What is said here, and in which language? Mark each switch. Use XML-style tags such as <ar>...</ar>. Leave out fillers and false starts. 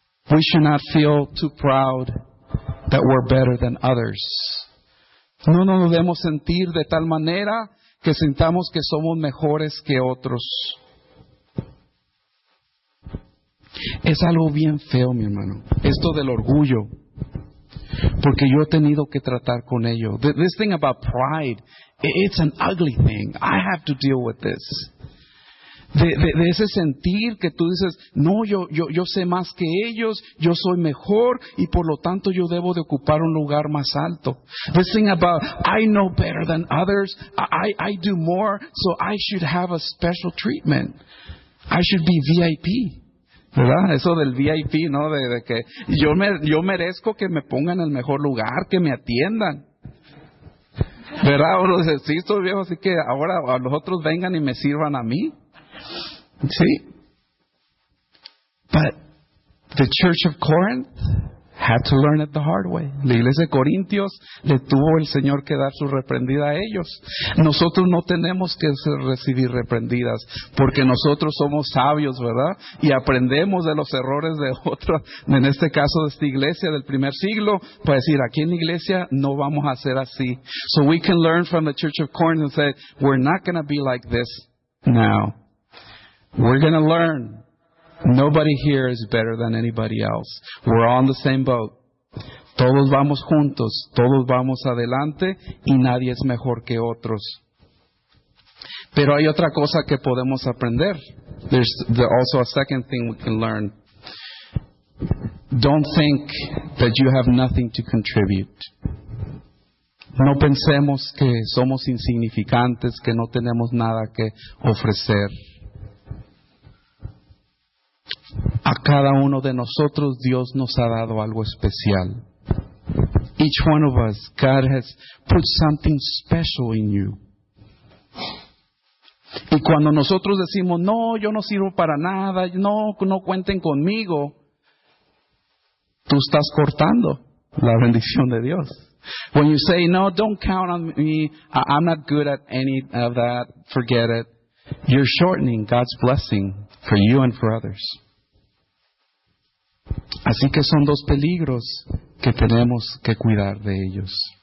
<en>We should not feel too proud that we're better than others.</en> <es>No nos debemos sentir de tal manera que sintamos que somos mejores que otros. Es algo bien feo, mi hermano, esto del orgullo, porque yo he tenido que tratar con ello.</es> <en>This thing about pride, it's an ugly thing. I have to deal with this.</en> <es>De ese sentir que tú dices, no, yo sé más que ellos, yo soy mejor, y por lo tanto yo debo de ocupar un lugar más alto.</es> <en>This thing about, I know better than others, I do more, so I should have a special treatment. I should be VIP.</en> <es>¿Verdad? Eso del VIP, ¿no? De que yo merezco que me pongan en el mejor lugar, que me atiendan. ¿Verdad? Uno dice, sí, estoy viejo, así que ahora a los otros vengan y me sirvan a mí. Sí.</es> <en>But the Church of Corinth had to learn it the hard way.</en> <es>La iglesia de Corintios le tuvo el Señor que dar su reprendida a ellos. Nosotros no tenemos que recibir reprendidas, porque nosotros somos sabios, ¿verdad? Y aprendemos de los errores de otra, en este caso de esta iglesia del primer siglo, para decir, aquí en la iglesia no vamos a hacer así.</es> <en>So we can learn from the Church of Corinth and say, we're not going to be like this now. We're going to learn. Nobody here is better than anybody else. We're all on the same boat.</en> <es>Todos vamos juntos. Todos vamos adelante. Y nadie es mejor que otros. Pero hay otra cosa que podemos aprender.</es> <en>There's also a second thing we can learn. Don't think that you have nothing to contribute.</en> <es>No pensemos que somos insignificantes, que no tenemos nada que ofrecer. A cada uno de nosotros Dios nos ha dado algo especial.</es> <en>Each one of us, God has put something special in you.</en> <es>Y cuando nosotros decimos, no, yo no sirvo para nada, no cuenten conmigo, tú estás cortando la bendición de Dios.</es> <en>When you say, no, don't count on me, I'm not good at any of that, forget it, you're shortening God's blessing for you and for others.</en> <es>Así que son dos peligros que tenemos que cuidar de ellos.</es>